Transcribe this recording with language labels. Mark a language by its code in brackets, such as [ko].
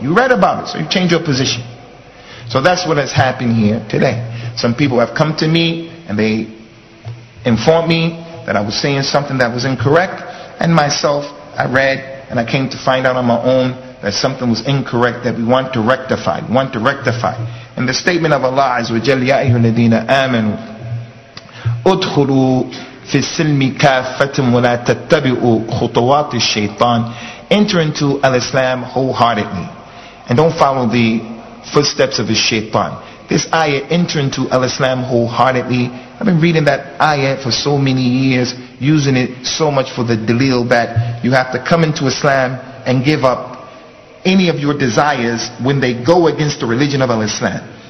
[en] You read about it, so you change your position. So that's what has happened here today. Some people have come to me, and they informed me that I was saying something that was incorrect, and myself, I read, and I came to find out on my own that something was incorrect, that we want to rectify, want to rectify. And the statement of Allah is, [ar] وَجَلْ يَا أَيُّهُ الَّذِينَ آمَنُوا أُدْخُلُوا فِي السِّلْمِ كَافَّةٍ وَلَا تَتَّبِعُوا خُطُوَاتِ الشَّيْطَانِ. [en] Enter into Al-Islam wholeheartedly, and don't follow the footsteps of the shaitan. This ayah, enter into Al-Islam wholeheartedly. I've been reading that ayah for so many years, using it so much for the dalil that you have to come into Islam and give up any of your desires when they go against the religion of Al-Islam.